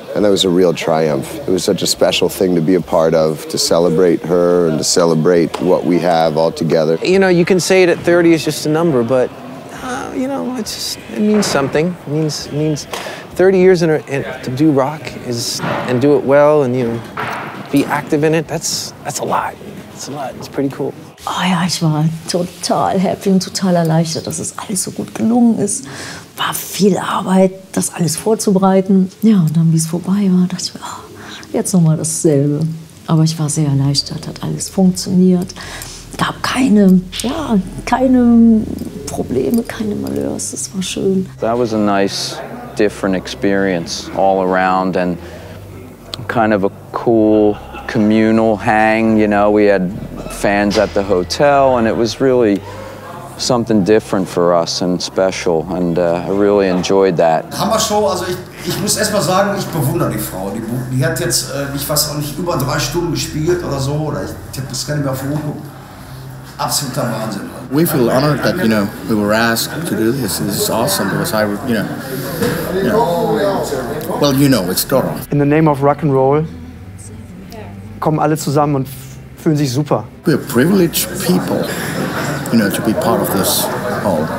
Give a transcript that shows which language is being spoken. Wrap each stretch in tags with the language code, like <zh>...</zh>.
<en>And that was a real triumph. It was such a special thing to be a part of, to celebrate her and to celebrate what we have all together. You know, you can say that 30 is just a number, but, you know, it means something. It means 30 years in to do rock is, and do it well and, you know, be active in it, that's a lot. It's a lot. It's pretty cool.</en> <de>Oh ja, ich war total happy und total erleichtert, dass es alles so gut gelungen ist. War viel Arbeit, das alles vorzubereiten. Ja, und dann, wie es vorbei war, dachte ich mir, oh, jetzt nochmal dasselbe. Aber ich war sehr erleichtert, hat alles funktioniert. Gab keine, ja, keine Probleme, keine Malheurs. Das war schön.</de> <en>That was a nice, different experience all around, and kind of a cool communal hang, you know. We had fans at the hotel and it was really something different for us and special, and I really enjoyed that.</en> <de>Hammer Show, also ich muss erstmal sagen, ich bewundere die Frau. Die hat jetzt, ich weiß auch nicht, über 3 Stunden gespielt oder so, oder ich habe das gar nicht mehr auf Ruhe. Absoluter Wahnsinn.</de> <en>We feel honored that, you know, we were asked to do this. This is awesome because I, you know, it's Doro. In the name of rock and roll,</en> <de>kommen alle zusammen und fühlen sich super.</de> <en>We're privileged people, you know, to be part of this hall.</en>